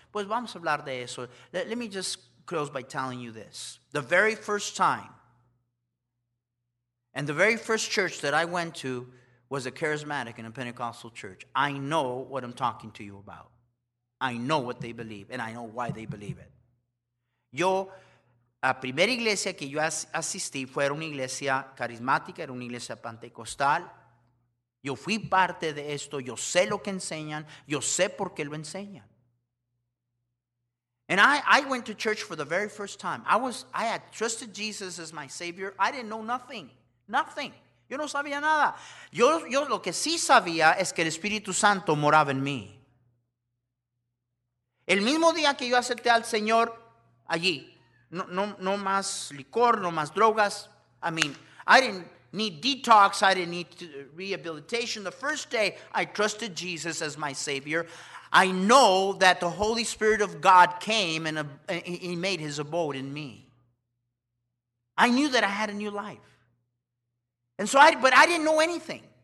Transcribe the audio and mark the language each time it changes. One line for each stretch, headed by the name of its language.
Spanish: Pues vamos a hablar de eso.
English: Let me just close by telling you this. The very first time, and the very first church that I went to was a charismatic and a Pentecostal church. I know what I'm talking to you about. I know what they believe, and I know why they believe it.
Spanish: Yo, la primera iglesia que yo asistí fue una iglesia carismática, era una iglesia pentecostal. Yo fui parte de esto, yo sé lo que enseñan, yo sé por qué lo enseñan.
English: And I went to church for the very first time. I had trusted Jesus as my Savior. I didn't know nothing, nothing.
Spanish: Yo no sabía nada. Yo lo que sí sabía es que el Espíritu Santo moraba en mí. El mismo día que yo acepté al Señor, allí, no más licor, no más drogas.
English: I mean, I didn't need detox, I didn't need rehabilitation. The first day I trusted Jesus as my Savior, I know that the Holy Spirit of God came and he made his abode in me. I knew that I had a new life. And so but I didn't know anything.